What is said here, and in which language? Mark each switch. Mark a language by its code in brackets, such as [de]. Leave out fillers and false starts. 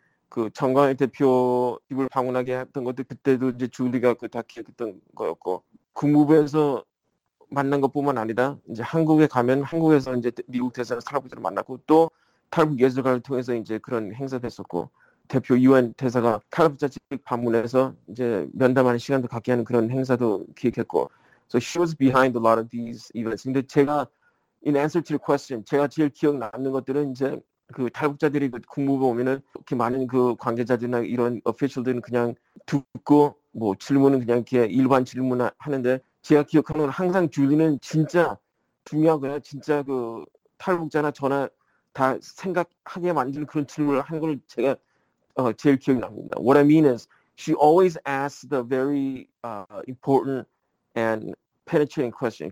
[ko] 그 정광희 대표 집을 방문하게 했던 것도 그때도 이제 줄리가 그 다 기억했던 거였고 국무부에서 만난 것뿐만 아니라 이제 한국에 가면 한국에서 이제 미국 대사나 탈북자를 만났고 또 탈북 예술가를 통해서 이제 그런 행사도 했었고 대표 유엔 대사가 탈북자 집 방문해서 이제 면담하는 시간도 갖게 하는 그런 행사도 기획했고. [en] So she was behind a lot of these events. [ko] 근데 제가 [en] in answer to your question, [ko] 제가 제일 기억 남는 것들은 이제 그 탈북자들이 그 국무부 오면은 이렇게 많은 그 관계자들이나 이런 official들은 그냥 듣고 뭐 질문은 그냥 이렇게 일반 질문을 하는데 제가 기억하는 건 항상 줄리는 진짜 중요하고요. 진짜 그 탈북자나 저나 다 생각하게 만드는 그런 질문을 하는 걸 제가 제일 기억이 납니다. [en] What I mean is, she always asks the very important and penetrating question.